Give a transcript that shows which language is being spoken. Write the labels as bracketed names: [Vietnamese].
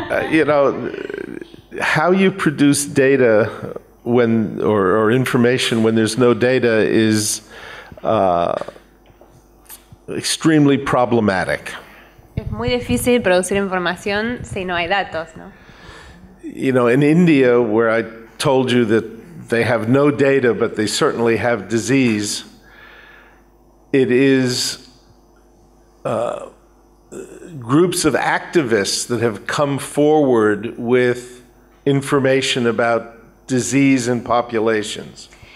[English] You know, how you produce data when, or information when there's no data is extremely problematic. [Spanish] Es muy difícil producir información si no hay datos, ¿no? [English] You know, in India, where I told you that they have no data, but they certainly have disease, it is... groups of activists that have come forward with information about disease and populations.